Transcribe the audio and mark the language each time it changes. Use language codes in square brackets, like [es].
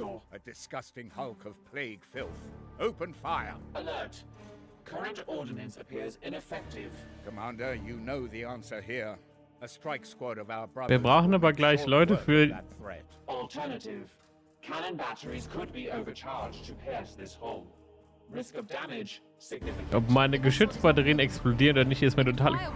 [en] A disgusting Hulk of plague filth. Open fire! Alert! Current ordinance appears ineffective. Commander, you know the answer here. A strike squad of our brothers. [de] Wir brauchen aber gleich Leute für. [en] Alternative. Cannon batteries could be overcharged to pierce this hole. Risk of damage significant. [de] Ob meine Geschützbatterien explodieren oder nicht, ist mir total.